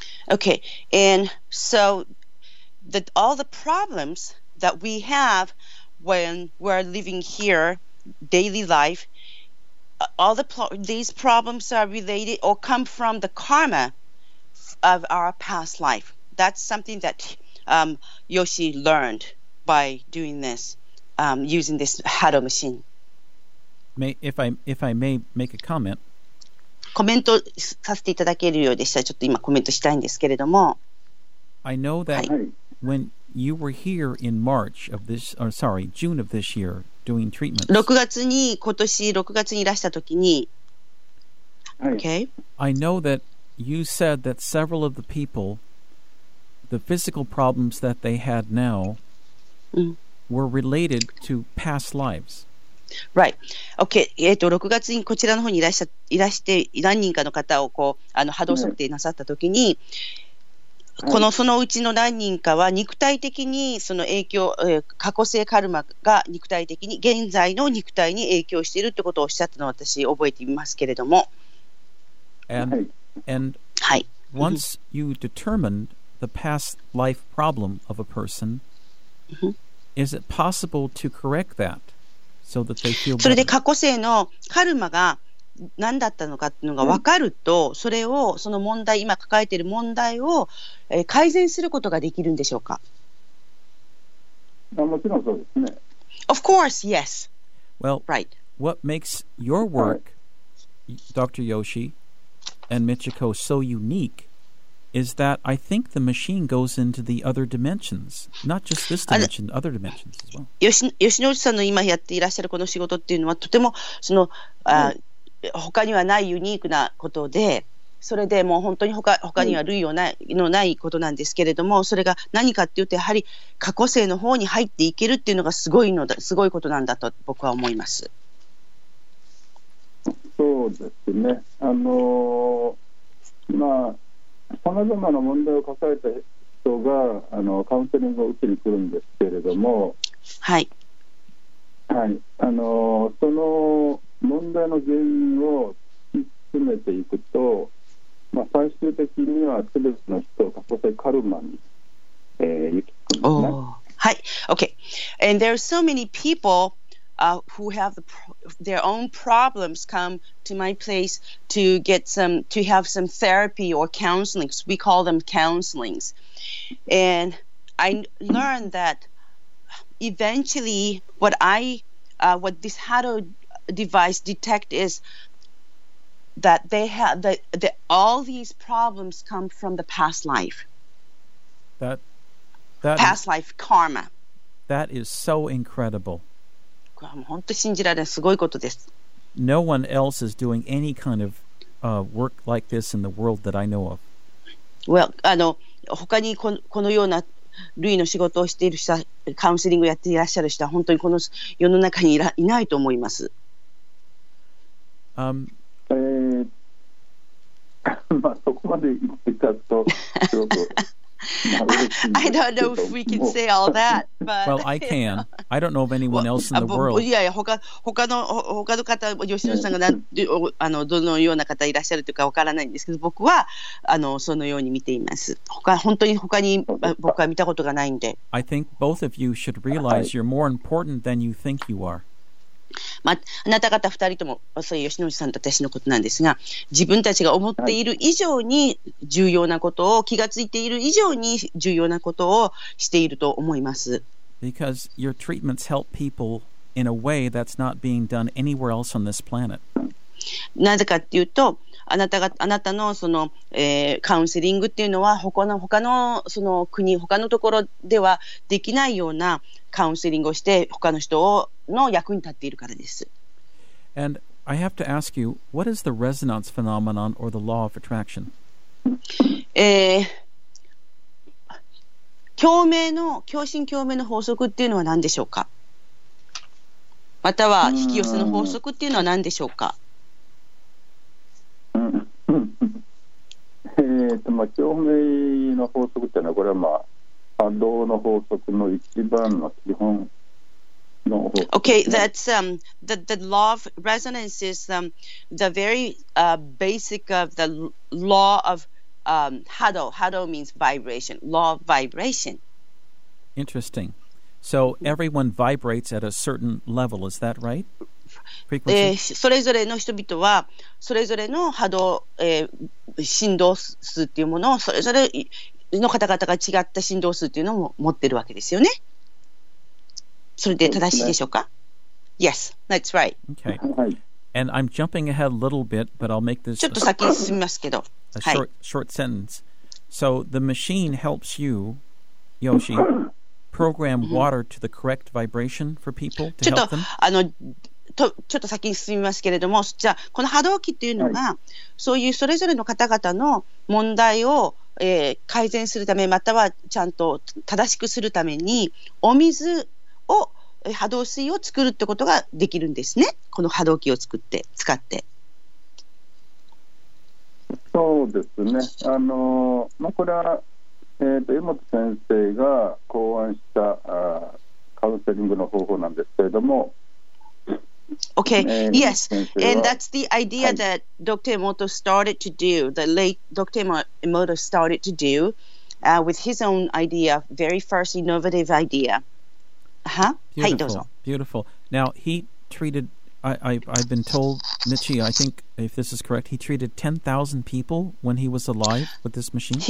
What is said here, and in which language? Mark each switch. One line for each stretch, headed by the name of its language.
English: Okay, and so all the problems that we have when we're living here, daily life, all the these problems are related or come from the karma of our past life. That's something that Yoshi learned by doing this, using this Hado machine. If I may make a comment.
Japanese: コメントさせていただけるようでしたらちょっと今コメントしたいんですけれども
English: I know that、はい、when you were here in March of this or sorry, June of this year doing treatment
Japanese: 6月に今年6月にいらした時に、はい、
English: Okay I know that you said that several of the people the physical problems that they had now、
Japanese: うん、
English: were related to past lives Right. Okay.
Japanese: 6月にこちらの方にいらして何人かの方をこうあの波動測定なさったときに、このそのうちの何人かは肉体的にその影響、過去性カルマが肉体的に現在の肉体に影響しているってことをおっしゃったのを私覚えていますけれども。
English: And once you determined the past life problem of a person, is it possible to correct that? So、that they feel
Japanese: それで過去性のカルマが何だったのかっていうのが分かると、mm-hmm. それをその問題今抱えている問題を、改善することができるんでしょうか。もちろんそうですね。
English: Of course, yes. Well, right. What makes your work,、right. Dr. Yoshi and Michiko, so unique is that I think the machine goes into the other dimensions, not just this dimension, other dimensions as well.
Japanese: Yoshinori さんの今やっていらっしゃるこの仕事っていうのはとてもその、mm. 他にはないユニークなことで、それでもう本当に他には類をない、mm. のないことなんですけれども、それが何かっていうとやはり過去性の方に入っていけるっていうのがすごいのだ、すごいことなんだと僕は思います。そうですね。まあ。さまざまな問題を抱えた人がカウンセリングを受けに来るんですけれども、はい、はい、その問題の原因を突き詰めていくと、まあ、最終的には全ての人を過去性カルマに、行き着くんですね。おー、はい、Okay.
English: And there are so many people、who have their own problems come to my place to get some to have some therapy or counseling. We call them counselings. And I learned that eventually what this Hado device detect is that they have that all these problems come from the past life. That past life karma. That is so incredible.
Japanese: 本当信じられない、すごいことです。
English: No one else is doing any kind of work like this in the world that I know of.
Japanese: Well, 他にこのような類の仕事をしている人、カウンセリングをやっていらっしゃる人は本当にこの世の中にいないと思います。まあそこまで言ってたと。
English: I don't know if we can say all that, but well, I can. I don't know of anyone else in the world.
Japanese: いやいや、他の方、吉野さんがどのような方いらっしゃるというかわからないんですけど、僕はそのように見ています。本当に他に僕は見たことがないんで。
English: I think both of you should realize you're more important than you think you are.
Japanese: まあ、あなた方2人ともそういう吉野さんと私のことなんですが、自分たちが思っている以上に重要なことを、気がついている以上に重要なことをしていると思います。
English: Because your treatments help people in a way that's not being done anywhere else on this planet.
Japanese: なぜかっていうと、あなたのその、カウンセリングっていうのは他のその国、他のところではできないようなカウンセリングをして他の人をの役に立っているからです。
English: And I have to ask you, what is the resonance phenomenon or the law of attraction?
Japanese: 共振共鳴の法則っていうのは何でしょうか。または引き寄せの法則っていうのは何でしょうか。まあ共鳴の法則っていうのはこれはまあ波動の法則の一番の基本の法則、
English: ね、Okay, that's the law of resonance is the very basic of the law of hado. Hado means vibration. Law of vibration. Interesting. So everyone vibrates at a certain level, is that right? Frequency?
Japanese: それぞれの人々はそれぞれの波動、振動数っていうものをそれぞれの方々が違った振動数っていうのを持ってるわけですよね。それで正しいでしょうか？
English: Yes, that's right. Okay. And I'm jumping ahead a little bit, but I'll make this
Japanese: ちょっと先に進みますけど。
English: A short sentence. So the machine helps you, Yoshi... program water to the correct vibration for people to help them?
Japanese: ちょっと先に進みますけれども、じゃあこの波動機っていうのが、はい、そういうそれぞれの方々の問題を、改善するため、またはちゃんと正しくするために、お水を、波動水を作るってことができるんですね。この波動機を作って、使って。そうですね。まあ、これは江本先生が考案したカウンセリングの方法なんですけれども
English: Okay, yes, and that's the idea、はい、that Dr. Emoto started to do, the late Dr. Emoto started to do、with his own idea, very first innovative idea、huh? Beautiful,
Japanese: はい、どうぞ
English: Beautiful, now he treated, I've been told, Michi, I think if this is correct, he treated 10,000 people when he was alive with this machine?